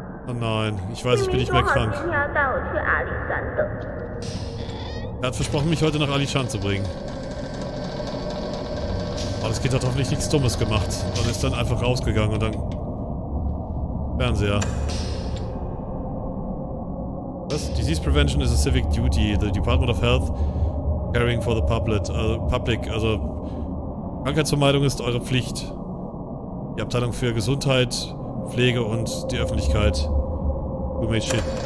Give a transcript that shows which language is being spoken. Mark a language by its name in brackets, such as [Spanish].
[German] Oh nein, ich weiß, ich bin nicht mehr krank. Jimmy hat gesagt, er will mich nach Alishan bringen. Er hat versprochen, mich heute nach Alishan zu bringen. Aber das Kind hat hoffentlich nichts Dummes gemacht. Und ist dann einfach rausgegangen und dann... Fernseher. Was? [English] Disease Prevention is a civic duty. The Department of Health caring for the public. [German] Also, Krankheitsvermeidung ist eure Pflicht. Die Abteilung für Gesundheit, Pflege und die Öffentlichkeit. [English] Who made shit?